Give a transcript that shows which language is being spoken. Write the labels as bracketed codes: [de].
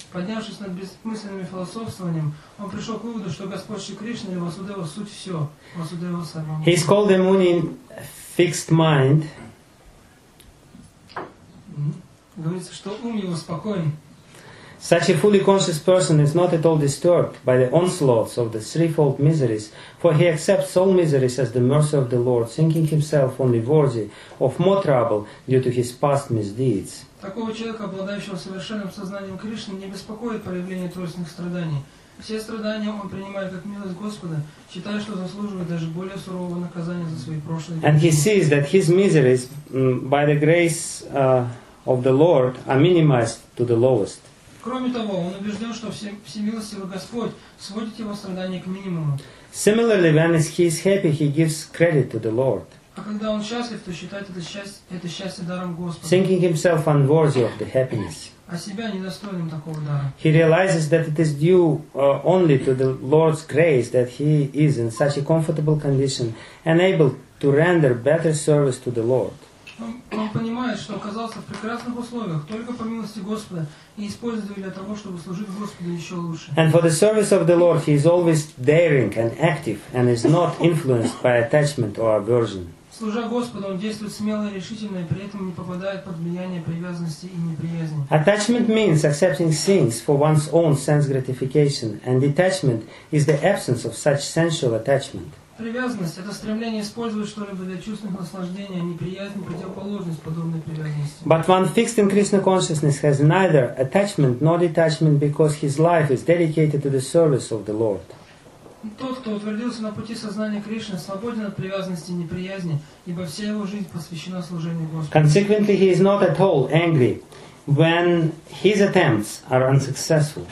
[ru] Поднявшись над бессмысленным философствованием, он пришел к выводу, что Господь Шри Кришна и Васудева суть все. [sa] Васудева Сарвам. [en] He is called the muni fixed mind. [ru] Говорится, что ум его спокоен. [en] Such a fully conscious person is not at all disturbed by the onslaughts of the threefold miseries, for he accepts all miseries as the mercy of the Lord, thinking himself only worthy of more trouble due to his past misdeeds. [ru] Такого человека, обладающего совершенным сознанием Кришны, не беспокоит проявление тройственных страданий. Все страдания он принимает как милость Господа, считая, что заслуживает даже более сурового наказания за свои прошлые грехи. [en] And he sees that his miseries, by the grace of the Lord, are minimized to the lowest. [ru] Кроме того, он убежден, что всемилостивый Господь сводит его страдания к минимуму. [en] Similarly, when he is happy, he gives credit to the Lord. [ru] А когда он счастлив, то считает это счастье даром Господа. [en] Thinking himself unworthy of the happiness. [ru] А себя недостойным такого дара. [en] He realizes that it is due only to the Lord's grace that he is in such a comfortable condition and able to render better service to the Lord. [ru] Он понимает, что оказался в прекрасных условиях только по милости Господа и использует его для того, чтобы служить Господу еще лучше. [en] And for the service of the Lord, he is always daring and active and is not influenced by attachment or aversion. [ru] Служа Господу, он действует смело и решительно, и при этом не попадает под влияние привязанности и неприязни. [en] Attachment means accepting things for one's own sense gratification, and detachment is the absence of such sensual attachment. [ru] Привязанность – это стремление использовать что-либо для чувственных наслаждений, а неприязнь – противоположность подобной привязанности. [en] But one fixed in Krishna consciousness has neither attachment nor detachment because his life is dedicated to the service of the Lord. [ru] Тот, кто утвердился на пути сознания Кришны, свободен от привязанности и неприязни, ибо вся его жизнь посвящена служению Господу. [en] Consequently, he is not at all angry when his attempts are unsuccessful.